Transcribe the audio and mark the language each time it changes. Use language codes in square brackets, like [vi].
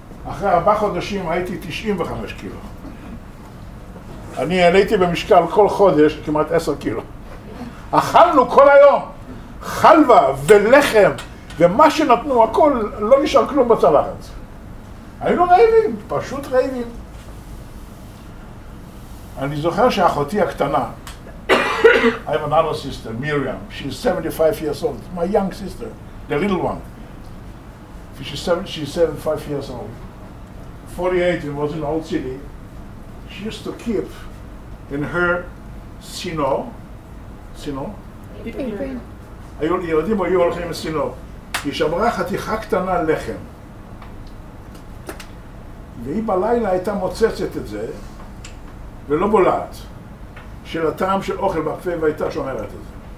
[he] אחרי 4 חודשים הייתי 95 קילו. אני עליתי במשקל כל חודש כמעט 10 קילו. אכלנו כל היום חלווה ולחם ומה שנתנו הכל, לא נשאר כלום בצלחת. היינו רעבים, פשוט רעבים. אני זוכר שאחותי הקטנה, [en] I have another sister, Miriam, she's 75 years old, my young sister, the little one. She's 75 years old. 48, it was in the old city. She used to keep in her sino? [he] היפים. היהודים היו הולכים לסינו. היא שמרה חתיכה קטנה לחם. והיא בלילה הייתה מוצצת את זה, ולא בולעת, של הטעם של אוכל בפה והייתה שומרת את זה.